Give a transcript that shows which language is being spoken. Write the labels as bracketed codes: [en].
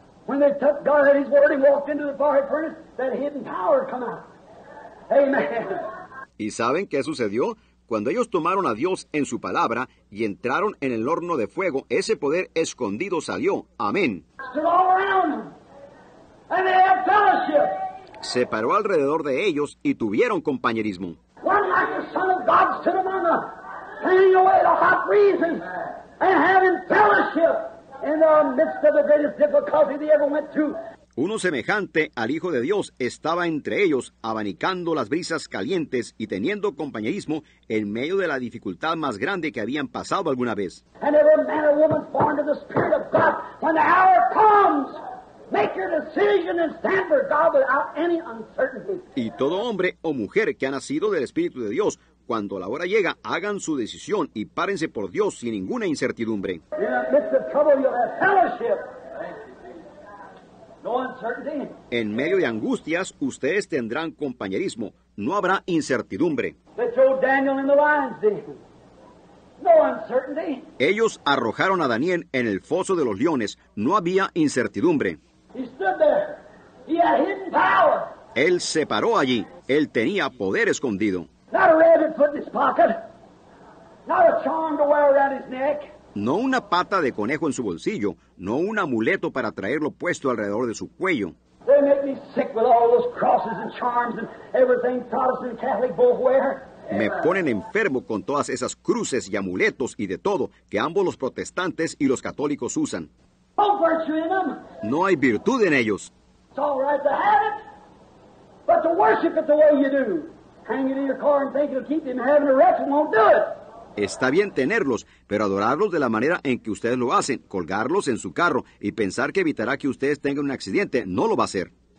[en] When they took God at His word and walked into the fiery furnace, that hidden power come out. Amen. [es] ¿Y saben qué sucedió? Cuando ellos tomaron a Dios en su palabra y entraron en el horno de fuego, ese poder escondido salió. Amén. [en] Stood all around them, and they had fellowship. [es] Se paró alrededor de ellos y tuvieron compañerismo. [en] One like the Son of God stood among them, clearing away the hot reason, and having fellowship in the midst of the greatest difficulty they ever went through. [es] Uno semejante al Hijo de Dios estaba entre ellos, abanicando las brisas calientes y teniendo compañerismo en medio de la dificultad más grande que habían pasado alguna vez. [en] And every man or woman born to the Spirit of God, when the hour comes, make your decision and stand for God without any uncertainty. [es] Y todo hombre o mujer que ha nacido del Espíritu de Dios, cuando la hora llega, hagan su decisión y párense por Dios sin ninguna incertidumbre. [en] In the midst of trouble, you'll have fellowship. No uncertainty. [es] En medio de angustias, ustedes tendrán compañerismo. No habrá incertidumbre. [en] They throw Daniel in the lion's den. No uncertainty. [es] Ellos arrojaron a Daniel en el foso de los leones. No había incertidumbre. [en] He stood there. He had hidden power. [es] Él se paró allí. Él tenía poder escondido. [en] Not a rabbit foot in his pocket. Not a charm to wear around his neck. [es] No una pata de conejo en su bolsillo, no un amuleto para traerlo puesto alrededor de su cuello. [en] They make me sick with all those crosses and charms and everything Protestant and Catholic both wear. [es] Me ponen enfermo con todas esas cruces y amuletos y de todo que ambos los protestantes y los católicos usan. [en] No virtue in them. [es] No hay virtud en ellos. [en] It's all right to have it, but to worship it the way you do. Hang it in your car and think it'll keep you from having a wreck and won't do it. [es] Está bien tenerlos, pero adorarlos de la manera en que ustedes lo hacen, colgarlos en su carro y pensar que evitará que ustedes tengan un accidente, no lo va a hacer.